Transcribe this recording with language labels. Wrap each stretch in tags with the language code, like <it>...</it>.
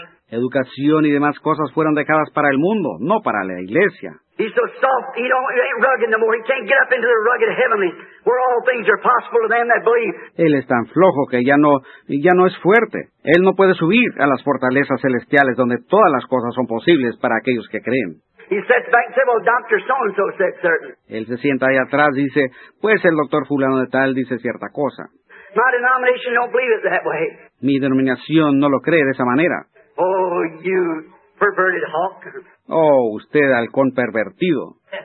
<es>Educación y demás cosas fueron dejadas para el mundo, no para la iglesia.</es> <en>He's so soft, he don't, he ain't rugged no more. He can't get up into the rugged heavenly, where all things are possible to them that believe.</en> <es>Él es tan flojo que ya no es fuerte. Él no puede subir a las fortalezas celestiales donde todas las cosas son posibles para aquellos que creen.</es> <en>He sits back and says, well, Dr. So-and-so said certain.</en> <es>Él se sienta ahí atrás y dice, pues el doctor fulano de tal dice cierta cosa.</es> <en>My denomination don't believe it that way.</en> <es>Mi denominación no lo cree de esa manera.</es> <en>Oh, you perverted hawk.</en> <es>Oh, usted halcón pervertido.</es>